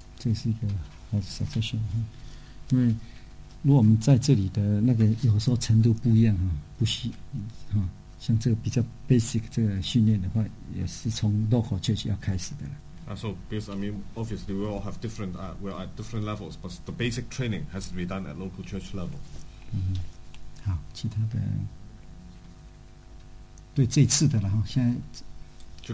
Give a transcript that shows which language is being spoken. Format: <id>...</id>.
<zh>这是一个好的 suggestion. 因为如果我们在这里的那个有时候程度不一样，不需像这个 比较 basic 这个训练的话，也是从 local church 要开始的了。</zh> <en>So because I mean, obviously we all have different, we are at different levels, but the basic training has to be done at local church level.</en> <zh>好，其他的对这次的了哈，现在</zh>